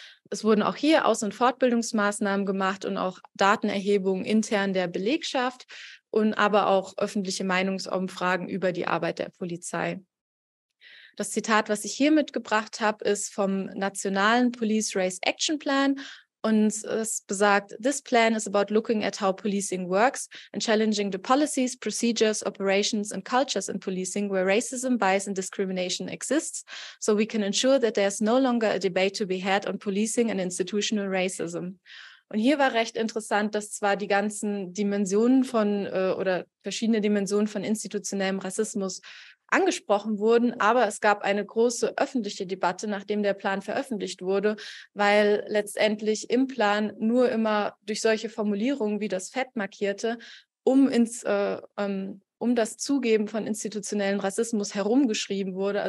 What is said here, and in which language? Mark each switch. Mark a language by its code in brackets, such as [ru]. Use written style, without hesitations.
[de] Es wurden auch hier Aus- und Fortbildungsmaßnahmen gemacht und auch Datenerhebungen intern der Belegschaft und aber auch öffentliche Meinungsumfragen über die Arbeit der Polizei. Das Zitat, was ich hier mitgebracht habe, ist vom Nationalen Police Race Action Plan. Und es besagt, [en] this plan is about looking at how policing works and challenging the policies, procedures, operations and cultures in policing where racism, bias and discrimination exists, so we can ensure that there's no longer a debate to be had on policing and institutional racism. [de] Und hier war recht interessant, dass zwar die ganzen Dimensionen von oder verschiedene Dimensionen von institutionellem Rassismus angesprochen wurden, aber es gab eine große öffentliche Debatte, nachdem der Plan veröffentlicht wurde, weil letztendlich im Plan nur immer durch solche Formulierungen wie das Fett markierte, um das Zugeben von institutionellen Rassismus herumgeschrieben wurde.